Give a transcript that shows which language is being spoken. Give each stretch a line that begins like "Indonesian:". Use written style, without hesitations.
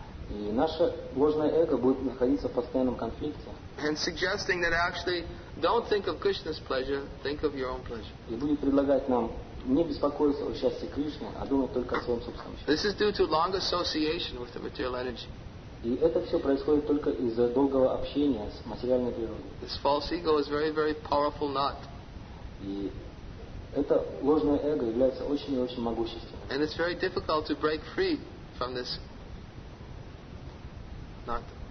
Russian: И наше ложное эго будет находиться в постоянном конфликте.
English: And suggesting that actually don't think of Krishna's pleasure, think of your own pleasure.
Russian: И будет предлагать нам не беспокоиться о счастье Кришны, а думать только о своем собственном счастье.
English: This is due to long association with the material energy.
Russian: И это все происходит только из-за долгого общения с материальной природой.
English: This false ego is very, very powerful knot.
Russian: И это ложное эго является очень и очень могущественным.
English: And it's very difficult to break free from this knot.